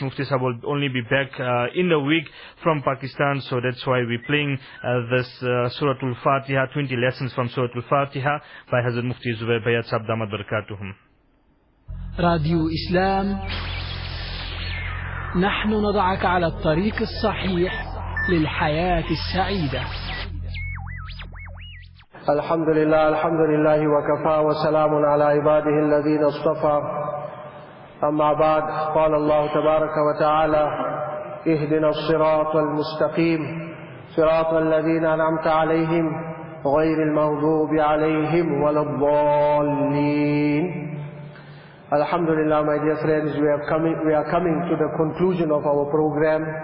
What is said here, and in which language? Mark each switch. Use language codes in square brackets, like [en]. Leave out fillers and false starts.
[en] Mufti Sahib will only be back in the week from Pakistan, so that's why we're playing this Suratul Fatiha, 20 lessons from Suratul Fatiha by Hazrat Mufti Zubair Bayat Sahib, damat barakatuhum. [ar] Radio Islam, nahnu nada'aka ala tariq as-sahih للحياة السعيدة. الحمد لله الحمد لله وكفى وسلام على عباده الذين اصطفى. أما بعد، قال الله تبارك وتعالى: اهدنا الصراط المستقيم صراط الذين أنعمت عليهم غير المغضوب عليهم ولا الضالين. الحمد لله. [en] My dear friends, we are coming to the conclusion of our program.